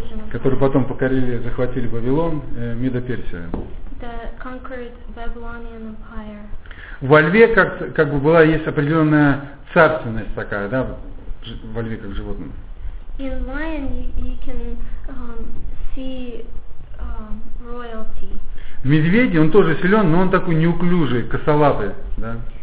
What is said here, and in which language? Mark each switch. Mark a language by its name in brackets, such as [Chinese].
[Russian] Которые потом покорили, захватили Вавилон, Медоперсия. [English] The conquered Babylonian Empire. [Russian] Во льве как бы была, есть определенная царственность такая, да, во льве как животном. [English] In lion you can see royalty. [Russian] Медведь, он тоже силен, но он такой неуклюжий, косолапый, да.